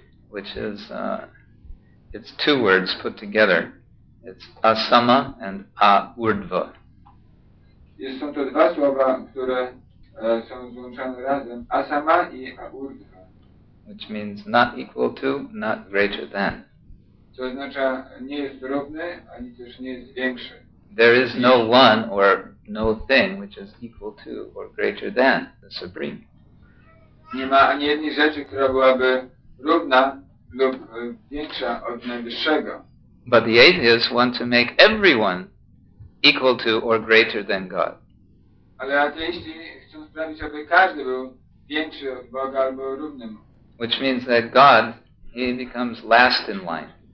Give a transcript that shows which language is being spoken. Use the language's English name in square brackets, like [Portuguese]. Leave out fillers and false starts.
[English] Which is, it's two words put together. It's asama and aurdva. [Polish] Są to dwa słowa, które są złączone razem. Asama i aurdva. [English] Which means not equal to, not greater than. [Polish] To oznacza nie jest równy, ani też nie jest większy. [English] There is no one or no thing which is equal to or greater than the Supreme. [Polish] Nie ma ani jednej rzeczy, która byłaby równa lub większa od najwyższego. [English] But the atheists want to make everyone equal to or greater than God. [Polish] Ale ateiści chcą sprawić, aby każdy był większy od Boga albo równy mu. [English] Which means that God, he becomes last in line.